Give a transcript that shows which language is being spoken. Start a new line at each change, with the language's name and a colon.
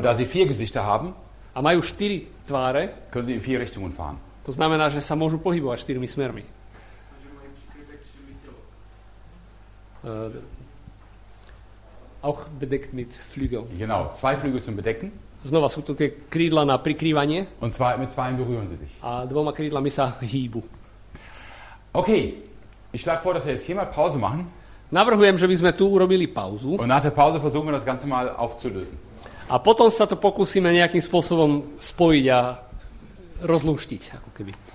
German: Da sie vier Gesichter haben,
Slovak: a majú štyri tváre,
German: können sie in vier Richtungen fahren.
Slovak: To znamená, že sa môžu pohybovať štyrmi smermi.
German: Auch bedeckt mit Flügeln. Genau, zwei Flügel zum Bedecken.
Slovak: Znova sú to tie krídla na prikrývanie.
German: Und zwei, mit zwei berühren sie sich.
Slovak: A dvoma krídlami sa hýbu.
German: Okay, ich schlage vor, dass wir jetzt hier mal Pause machen.
Slovak: Navrhujem, že by sme tu urobili pauzu.
German: Und nach der Pause versuchen wir das Ganze mal aufzulösen.
Slovak: A potom sa to pokúsime nejakým spôsobom spojiť a rozlúštiť, ako keby.